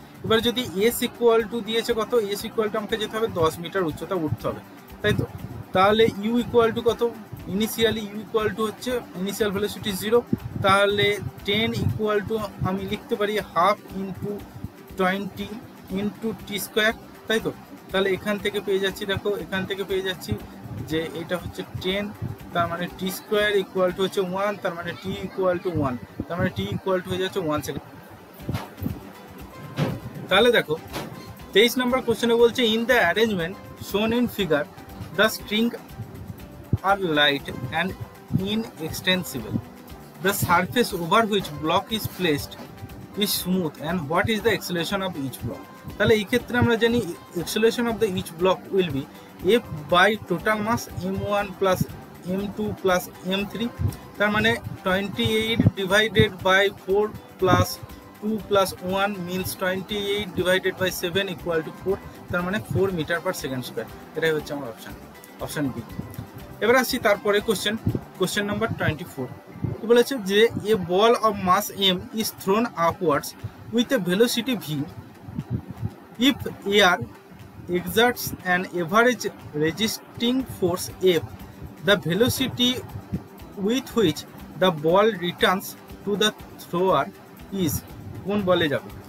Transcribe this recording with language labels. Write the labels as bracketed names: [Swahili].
[Bangla] এবার যদি S equal to দিয়েছে কত, এস ইকুয়াল টু আমাকে যেতে হবে 10 মিটার উচ্চতা উঠতে হবে, তাই তো, তাহলে ইউ ইকুয়াল টু কত, ইনিশিয়ালি ইউ ইকুয়াল টু হচ্ছে ইনিশিয়াল ভেলোসিটি 0, তাহলে 10 ইকুয়াল টু আমি লিখতে পারি 1/2 × 20 × t² তাই তো, তাহলে এখান থেকে পেয়ে যাচ্ছি, দেখো এখান থেকে পেয়ে যাচ্ছি যে এটা হচ্ছে 10, তার মানে টি স্কোয়ার ইকুয়াল টু হচ্ছে 1, তার মানে টি ইকুয়াল টু 1, তার মানে টি ইকুয়াল টু হয়ে যাচ্ছে 1 সেকেন্ড। তাহলে দেখো 23 নম্বর কোশ্চেনে বলছে [English] In the arrangement shown in figure the string are light and inextensible. The surface over which block is placed is smooth and what is the acceleration of each block? [Bangla] তাহলে এই ক্ষেত্রে আমরা জানি [English] acceleration of the each block will be F by total mass M1 plus M2 plus M3. [Bangla] তার মানে [English] 28 divided by 4 plus 2 plus 1 means 28 divided by 7 equal to 4. [Bangla] তার মানে [English] 4 meter per second square. [Bangla] এটাই হচ্ছে আমার অপশন অপশন বি। এবার আসছি তারপরে কোশ্চেন কোশ্চেন নাম্বার 24। কি বলেছে যে [English] a ball of mass M is thrown upwards with a velocity V if air exerts an average resisting force F the velocity with which the ball returns to the thrower is [Bangla] কোন বলে যাবে।